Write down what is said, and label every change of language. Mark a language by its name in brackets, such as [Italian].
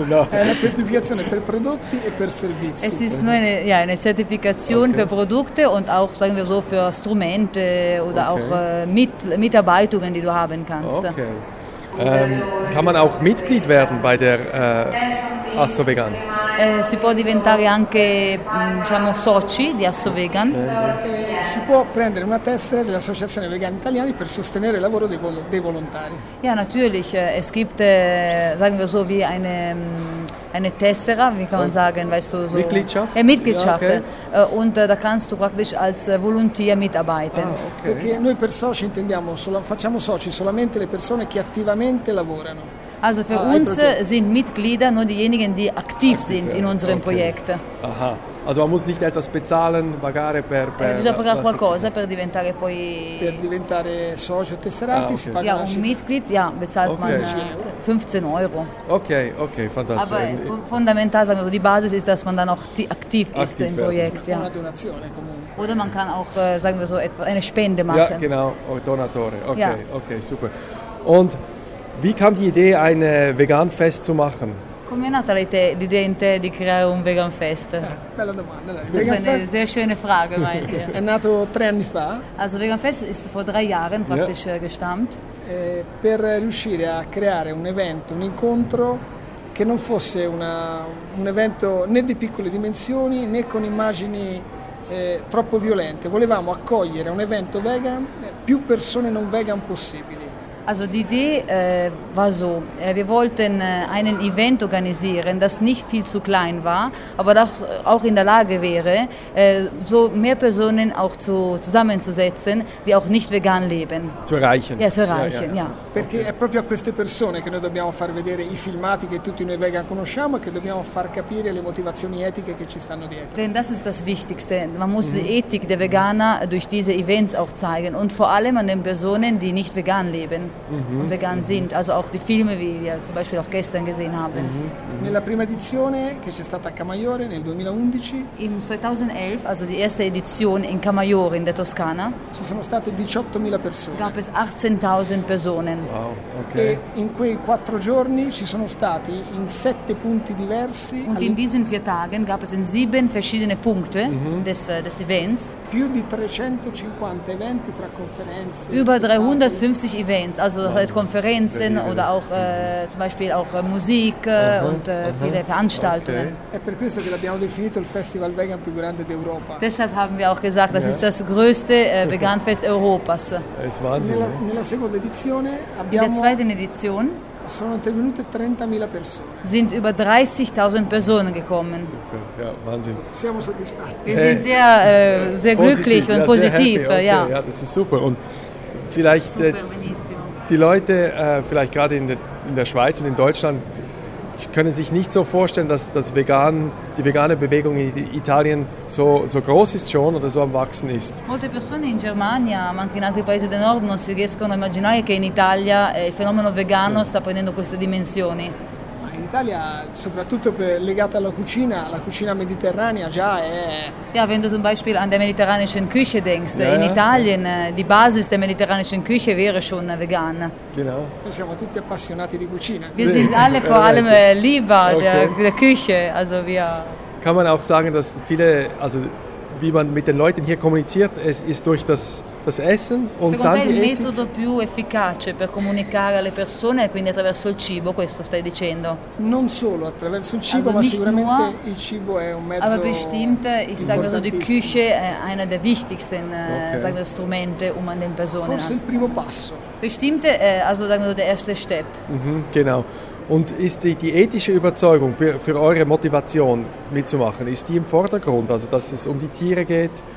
[Italian] No. È una certificazione per prodotti e per servizi. [German] Es ist nur eine, ja, eine Zertifikation für Produkte und auch, sagen wir so, für Strumente oder auch Mitarbeitungen, die du haben kannst. Okay. Kann man auch Mitglied werden bei der Asso Vegan? [Italian] Si può diventare anche, diciamo, soci di Asso Vegan. Si può prendere una tessera dell'Associazione Vegan Italiani per sostenere il lavoro dei volontari. [German] Ja, natürlich. Es gibt, sagen wir so, wie eine Tessera, wie kann man sagen, weißt du, so. Mitgliedschaft? Ja, Mitgliedschaft. Ja, okay. Und da kannst du praktisch als Volontär mitarbeiten. [Italian] Ah, okay. Perché noi per soci intendiamo, facciamo soci solamente le persone che attivamente lavorano. [German] Also für uns sind Mitglieder nur diejenigen, die aktiv sind in unserem Projekt. Aha, also man muss nicht etwas bezahlen, [Italian] pagare per bisogna pagare qualcosa per diventare poi per diventare socio tesserati. Ah, [German] okay. Ja, un Mitglied, ja, bezahlt man 15 Euro. Okay, okay, fantastisch. Aber fundamental, sagen wir so, die Basis ist, dass man dann auch aktiv ist im Projekt. [Italian] Ja. Una donazione, comunque. [German] Oder man kann auch, sagen wir so, eine Spende machen. Ja, genau, Donatore. Okay, ja. Okay, super. Und wie kam die Idee, ein Veganfest zu machen? [Italian] Come è nata l'idea in te di creare un vegan fest? Bella domanda. Questa è una [German] schöne Frage, meinte. [Italian] È nato tre anni fa. [German] Also vegan fest ist vor drei Jahren praktisch gestammt. [Italian] Per riuscire a creare un evento, un incontro che non fosse un evento né di piccole dimensioni né con immagini troppo violente. Volevamo accogliere un evento vegan più persone non vegan possibili. [German] Also die Idee war so, wir wollten einen Event organisieren, das nicht viel zu klein war, aber das auch in der Lage wäre, so mehr Personen auch zusammenzusetzen, die auch nicht vegan leben. Zu erreichen. Ja, zu erreichen, ja. [Italian] Perché è proprio a queste persone che noi dobbiamo far vedere i filmati che tutti noi vegan conosciamo e che dobbiamo far capire le motivazioni etiche che ci stanno dietro. [German] Denn das ist das Wichtigste. Man muss die Ethik der Veganer durch diese Events auch zeigen und vor allem an den Personen, die nicht vegan leben. Und vegan sind, also auch die Filme, wie wir zum Beispiel auch gestern gesehen haben. [Italian] Nella prima edizione che c'è stata a Camaiore nel 2011. [German] Im 2011, also die erste Edition in Camaiore in der Toskana. [Italian] Ci sono state 18.000 persone. [German] Gab es 18.000 Personen. Wow, okay. [Italian] E in quei quattro giorni ci sono stati in sette punti diversi. [German] Und in diesen vier Tagen gab es in sieben verschiedene Punkte des Events. [Italian] Più di 350 eventi fra conferenze. [German] Über 350 Events. Also halt Konferenzen oder auch zum Beispiel auch Musik und viele Veranstaltungen. [Italian] È per questo che l'abbiamo definito il Festival Vegan più grande d'Europa. [German] Deshalb haben wir auch gesagt, das ist das größte Veganfest Europas. Es war [Italian] nella seconda edizione abbiamo. [German] In der zweiten Edition [Italian] sono intervenute 30.000 persone. [German] Sind über 30.000 Personen gekommen. Super, ja, Wahnsinn. [Italian] Siamo soddisfatti. [German] Wir sind sehr sehr glücklich und positiv. Okay, ja. Ja, das ist super und vielleicht die Leute, vielleicht gerade in der Schweiz und in Deutschland, können sich nicht so vorstellen, dass die vegane Bewegung in Italien so groß ist schon oder so am Wachsen ist. [Italian] Molte persone in Germania, ma anche in altri paesi del nord, non si riescono a immaginare che in Italia il fenomeno vegano sta prendendo queste dimensioni. In Italia, soprattutto legata alla cucina, la cucina mediterranea già è. [German] Ja, wenn du zum Beispiel an der mediterranischen Küche denkst, in Italien, die Basis der mediterranischen Küche wäre schon vegan. Genau. [Italian] Noi siamo tutti appassionati di cucina. [German] Wir sind alle vor allem lieber der Küche. Also wir. Kann man auch sagen, dass viele, also wie man mit den Leuten hier kommuniziert, es ist durch das Essen und [Italian] secondo [German] dann [Italian] te il [German] die [Italian] metodo più efficace per comunicare alle persone, quindi attraverso il cibo, questo stai dicendo? Non solo attraverso il cibo, [German] also [Italian] ma sicuramente il cibo è un mezzo. [German] Aber bestimmt ist also die Küche einer der wichtigsten Strumente, um an den Personen. [Italian] Forse il primo passo. [German] Bestimmt also sagen wir so der erste Step. Genau. Und ist die ethische Überzeugung für eure Motivation mitzumachen, ist die im Vordergrund, also dass es um die Tiere geht?